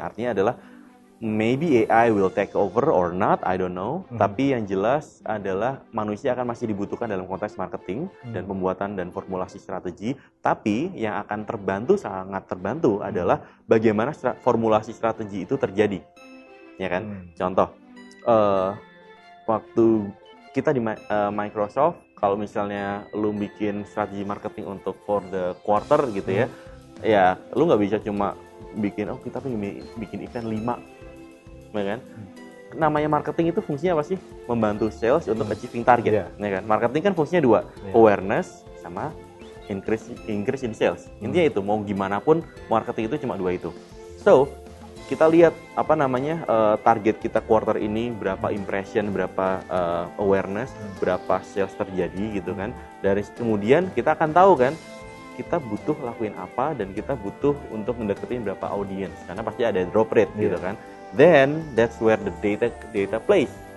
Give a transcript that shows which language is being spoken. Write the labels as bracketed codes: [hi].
[id] Artinya adalah [en] maybe AI will take over or not, I don't know. [id] Tapi yang jelas adalah manusia akan masih dibutuhkan dalam konteks marketing dan pembuatan dan formulasi strategi. Tapi yang akan terbantu, sangat terbantu adalah bagaimana formulasi strategi itu terjadi. Ya kan? Contoh, waktu kita di Microsoft, kalau misalnya lu bikin strategi marketing untuk [en] for the quarter [id] gitu ya, ya lu nggak bisa cuma bikin, oh kita pengen bikin event 5. Ya kan? Namanya marketing itu fungsinya apa sih? Membantu sales untuk [en] achieving target. [id] Ya kan? Marketing kan fungsinya dua, awareness sama [en] increase in sales. [id] Intinya itu, mau gimana pun marketing itu cuma dua itu. So, kita lihat target kita quarter ini, berapa impression, berapa awareness, berapa sales terjadi gitu kan. Dari kemudian kita akan tahu kan, kita butuh lakuin apa dan kita butuh untuk mendekatin berapa audience. Karena pasti ada drop rate gitu kan. [en] Then that's where the data plays.